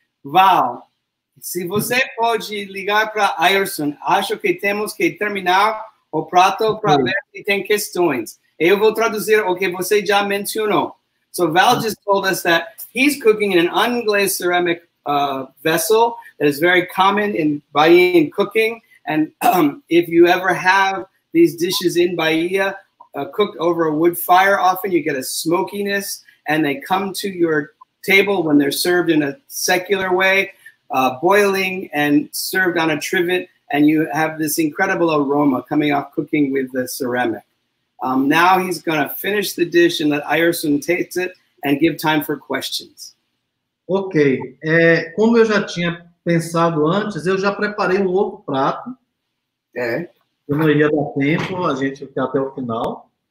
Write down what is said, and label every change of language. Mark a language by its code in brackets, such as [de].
[pt] Val, se você pode ligar para a Ayerson, acho que temos que terminar o prato para ver se tem questões. Eu vou traduzir o que você já mencionou. [en] So Val just told us that he's cooking in an unglazed ceramic vessel that is very common in Bahian cooking. And if you ever have these dishes in Bahia cooked over a wood fire, often you get a smokiness and they come to your table when they're served in a secular way. boiling and served on a trivet, and you have this incredible aroma coming off cooking with the ceramic. Now he's going to finish the dish and let Ayerson taste it and give time for questions. Ok. [pt] Como eu já tinha pensado antes, eu já preparei um outro prato. É. Eu não iria dar tempo, a gente ficar até o final.